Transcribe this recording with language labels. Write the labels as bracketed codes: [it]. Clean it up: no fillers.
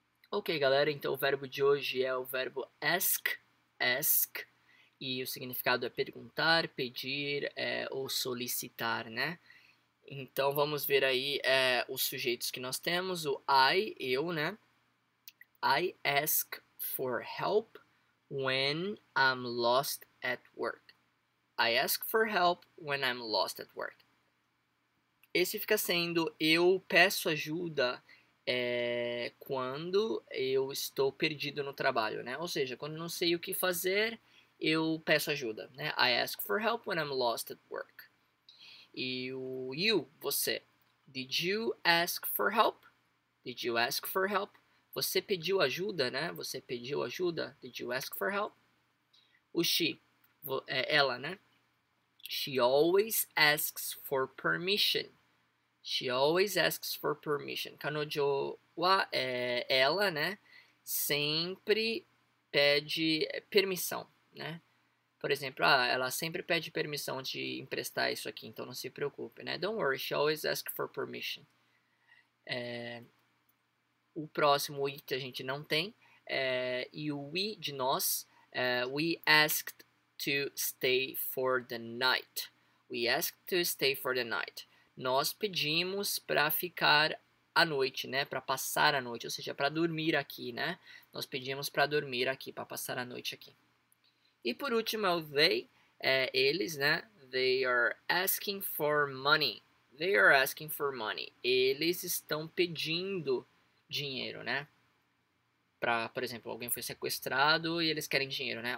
[pt] Ok, galera, então o verbo de hoje é o verbo ask, ask, e o significado é perguntar, pedir ou solicitar, né? Então, vamos ver aí os sujeitos que nós temos, o I, eu, né? [en] I ask for help when I'm lost at work. I ask for help when I'm lost at work. [pt] Esse fica sendo eu peço ajuda quando eu estou perdido no trabalho, né? Ou seja, quando não sei o que fazer, eu peço ajuda, né? I ask for help when I'm lost at work. E o you, você. [en] Did you ask for help? Did you ask for help? [pt] Você pediu ajuda, né? Você pediu ajuda. [en] Did you ask for help? [pt] O she, ela, né? [en] She always asks for permission. She always asks for permission. [ja] Kanojo wa, [pt] ela, né? Sempre pede permissão, né? Por exemplo, ela sempre pede permissão de emprestar isso aqui. Então, não se preocupe, né? [en] Don't worry, she always asks for permission. [pt] O próximo it a gente não tem, e o we de nós, [en] we asked to stay for the night. We asked to stay for the night. [pt] Nós pedimos para ficar a noite, né, para passar a noite, ou seja, para dormir aqui, né? Nós pedimos para dormir aqui, para passar a noite aqui. E por último é o they, eles, né? [en] They are asking for money. They are asking for money. [pt] Eles estão pedindo dinheiro, né? Para, por exemplo, alguém foi sequestrado e eles querem dinheiro, né?